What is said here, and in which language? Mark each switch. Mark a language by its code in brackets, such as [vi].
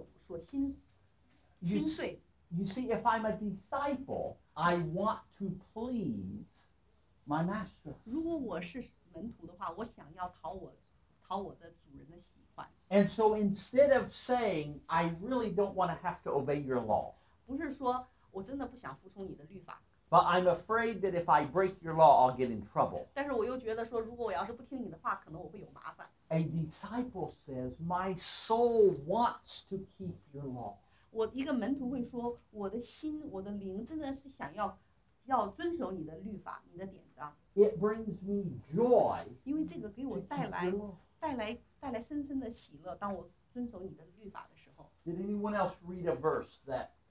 [en] You see, if I'm a disciple, I want to please my master. [zh] 如果我是门徒的话，我想要讨我的主人的喜欢。 [en] And so instead of saying, I really don't want to have to obey your law. [zh] 不是说我真的不想服从你的律法。 [en] But I'm afraid that if I break your law, I'll get in trouble. [zh] 但是我又觉得说，如果我要是不听你的话，可能我会有麻烦。 [en] A disciple says, "My soul wants to keep your law." [zh] 我一个门徒会说，我的心，我的灵真的是想要遵守你的律法，你的典章。 [en] It brings me joy. [zh] 因为这个给我带来深深的喜乐。当我遵守你的律法的时候。 [en] Did anyone else read a verse that?